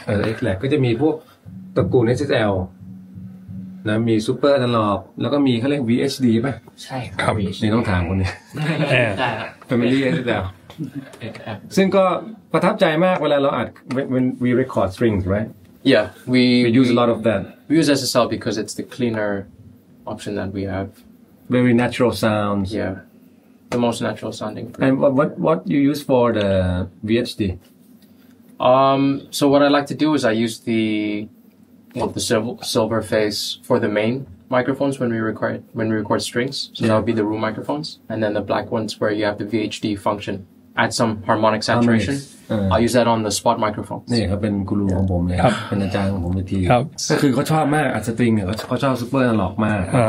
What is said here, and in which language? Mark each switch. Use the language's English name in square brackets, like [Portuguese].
[Thai] เอ็กแลกก็จะมีพวกตระกูล SSL นะมีซูเปอร์อะนาล็อกแล้วก็มีเขาเรียก VHD ป่ะ ใช่ ครับ นี่ต้องถามคนนี้ เป็นมิลลี่ SSL ซึ่งก็ประทับใจมากเวลาเราอัด [English] when we record strings right yeah we use a lot of that we use SSL because it's the cleaner option that we have very natural sounds yeah the most natural sounding and what you use for the VHD So what I like to do is I use the silver face for the main microphones when we record strings. So yeah. That would be the room microphones, and then the black ones where you have the VHD function at some harmonic saturation. I use that on the spot microphones. [Thai] นี่เขาเป็นกูรูของผมเลย ครับ เป็นอาจารย์ของผมในที ครับ ก็คือเขาชอบมากอัดสตริงเนี่ยเขาชอบซูเปอร์อะนาล็อกมาก